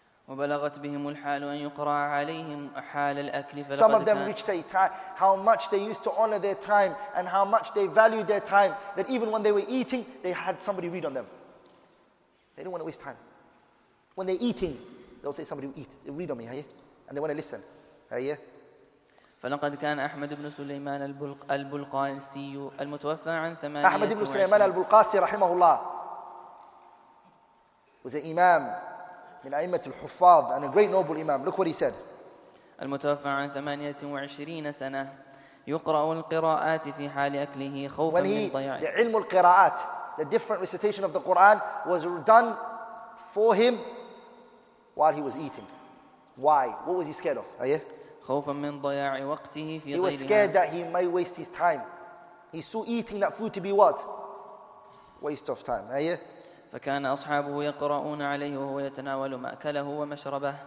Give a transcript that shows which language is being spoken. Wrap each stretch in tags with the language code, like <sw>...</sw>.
<ar>وَبَلَغَتْ بِهِمُ الْحَالُ أَن يُقْرَى عَلَيْهِمْ أَحَالَ الْأَكْلِ فَلَقَدْ.</ar> <en>Some of them reached a time, how much they used to honor their time, and how much they valued their time, that even when they were eating, they had somebody read on them. They don't want to waste time. When they're eating, they'll say, somebody will eat. They read on me, hey? And they want to listen. أيه.</en> <ar>فلقد كان أحمد بن سليمان البلقاسي المتوفى عن 28.</ar> <en>أحمد بن سليمان البلقاسي رحمه الله was an imam</en> <ar>من أئمة الحفاظ</ar> <en>and a great noble imam. Look what he said.</en> <ar>المتوفى عن 28 سنة يقرأ القراءات في حال أكله خوفا من ضياع.</ar> <en>علم القراءات, the different recitation of the Quran was done for him while he was eating. Why? What was he scared of? أيه.</en> <ar>خوفا من ضياع وقته في غيرها.</ar> <en>He was scared that he may waste his time. He saw eating that food to be what? Waste of time. أيه.</en> <ar>فكان أصحابه يقرؤون عليه وهو يتناول ما أكله ومشربه.</ar>